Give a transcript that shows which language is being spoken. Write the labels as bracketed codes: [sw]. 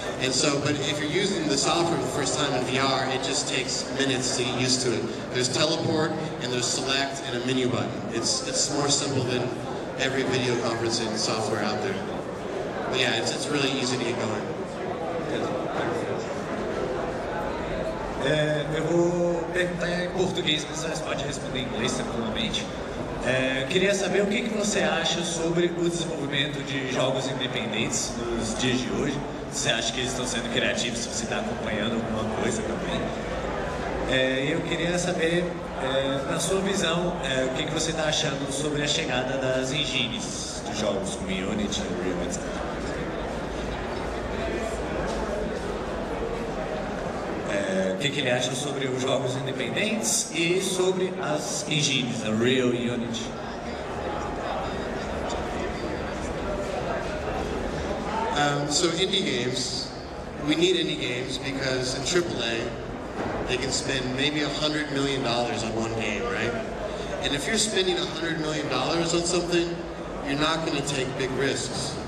[en] And so, but if you're using the software for the first time in VR, it just takes minutes to get used to it. There's teleport, and there's select, and a menu button. It's more simple than every video conferencing software out there. But yeah, it's really easy to get going. [pt] Eu vou perguntar em português, mas você pode responder em inglês tranquilamente. Queria saber o que você acha sobre o desenvolvimento de jogos independentes nos dias de hoje. Você acha que eles estão sendo criativos, se você está acompanhando alguma coisa também. Eu queria saber, na sua visão, o que você está achando sobre a chegada das engines dos jogos como Unity, Unreal, etc. O que ele acha sobre os jogos independentes e sobre as engines, a Unreal e Unity? [en] So indie games, we need indie games because in AAA they can spend maybe $100 million on one game, right? And if you're spending $100 million on something, you're not going to take big risks.